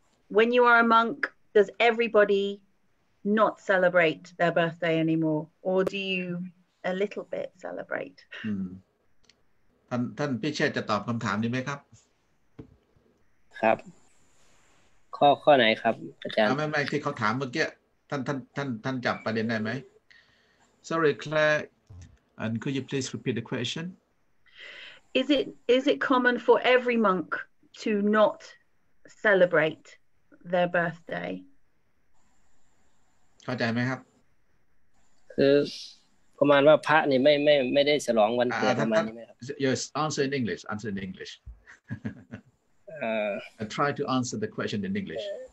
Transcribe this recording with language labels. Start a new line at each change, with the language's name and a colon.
English: when you are a monk, does everybody not celebrate their birthday anymore, or do you a little bit celebrate?
Thai: ท่านพี่เชษจะตอบคำถามนี้ไหมครับ ครับข้อไหนครับอาจารย์ ไม่ที่เขาถามเมื่อกี้ท่านจับประเด็นได้ไหม
English: Sorry Claire and could you please repeat the question is it common for every monk to not celebrate their birthday
Thai: เข้าใจไหมครับ คือประมาณว่าพระนี่ไม่ได้ฉลองวันเกิดประมาณนี้ไหมครับ
English: Yes, answer in English. Answer in English. I try to answer the question in English.